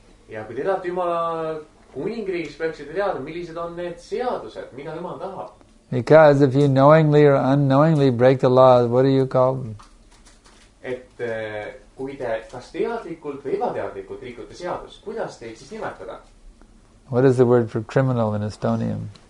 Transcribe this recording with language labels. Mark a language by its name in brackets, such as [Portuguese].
[Estonian] Ja kui teda Jumala kuningriigis peaksid teada, millised on need seadused, mida Jumal tahab. [English] Because if you knowingly or unknowingly break the law, what do you call them? [Estonian] Et kui te kas teadlikult või ebateadlikult rikute seadus, kuidas teid siis nimetada? [English] What is the word for criminal in Estonian?